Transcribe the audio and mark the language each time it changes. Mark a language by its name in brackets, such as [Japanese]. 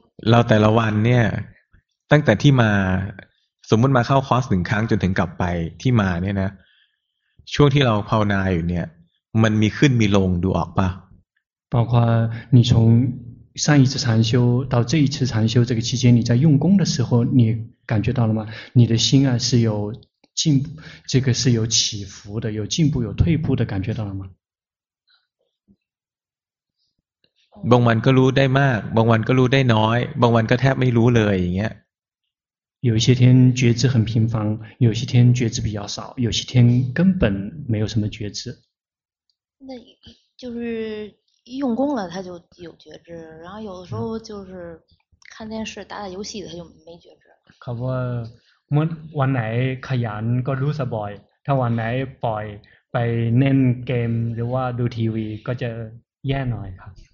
[Thai] เราแต่ละวันเนี่ยตั้งแต่ที่มาสมมติมาเข้าคอร์สหนึ่งครั้งจนถึงกลับไปที่มาเนี่ยนะช่วงที่เราภาวนาอยู่เนี่ยมันมีขึ้นมีลงดูออกป่ะ [Chinese] 包括你从上一次禅修到这一次禅修这个期间你在用功的时候你感觉到了吗你的心啊是有进步这个是有起伏的有进步有退步的感觉到了吗 [Thai] บางวันก็รู้ได้มากบางวันก็รู้ได้น้อยบางวันก็แทบไม่รู้เลยอย่างเงี้ย [Chinese] 有些天觉知很频繁有些天觉知比较少有些天根本没有什么觉知那就是用功了他就有觉知然后有的时候就是看电视打打游戏他就没觉知 [Thai] เขาว่าเมื่อวันไหนขยันก็รู้สบาย ถ้าวันไหนปล่อยไปเล่นเกมหรือว่าดูทีวีก็จะแย่หน่อยครับ